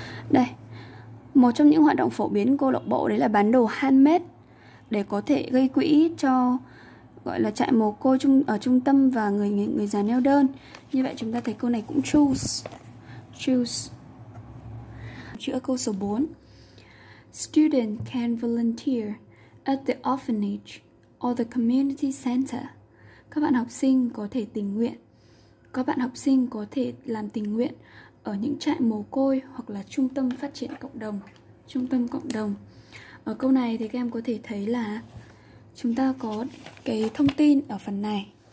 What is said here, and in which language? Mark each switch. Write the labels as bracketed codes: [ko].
[vi] Đây, một trong những hoạt động phổ biến của câu lạc bộ đấy là bán đồ handmade để có thể gây quỹ cho gọi là trại mồ côi trung ở trung tâm và người già neo đơn. Như vậy chúng ta thấy câu này cũng choose. Chữa câu số 4. [en] Student can volunteer at the orphanage or the community center. [vi] Các bạn học sinh có thể tình nguyện. Các bạn học sinh có thể làm tình nguyện ở những trại mồ côi hoặc là trung tâm phát triển cộng đồng, trung tâm cộng đồng. Ở câu này thì các em có thể thấy là chúng ta có cái thông tin ở phần này.